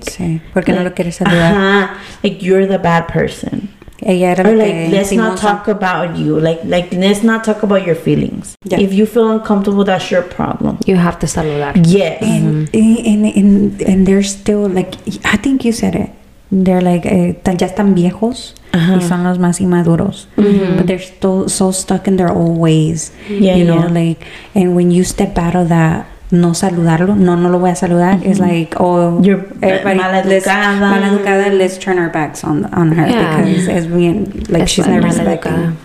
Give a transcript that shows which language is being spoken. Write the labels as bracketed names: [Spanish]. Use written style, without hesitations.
[Spanish] sí. ¿Por qué no lo quieres saludar? [English] Like you're the bad person. [Spanish] Ella era [English] or like, let's not talk about you. Like, let's not talk about your feelings. Yeah. If you feel uncomfortable, that's your problem. You have to settle that. Yes. And they're still like, I think you said it. They're like, [Spanish] ya están viejos y son los más inmaduros. [English] But they're still so stuck in their old ways. Yeah, you know, yeah. Like, and when you step out of that [Spanish] no saludarlo, no lo voy a saludar. Mm-hmm. [English] It's like, oh, you're maleducada. Maleducada, let's turn our backs on her, yeah. Because yeah. It's being like it's she's not respecting.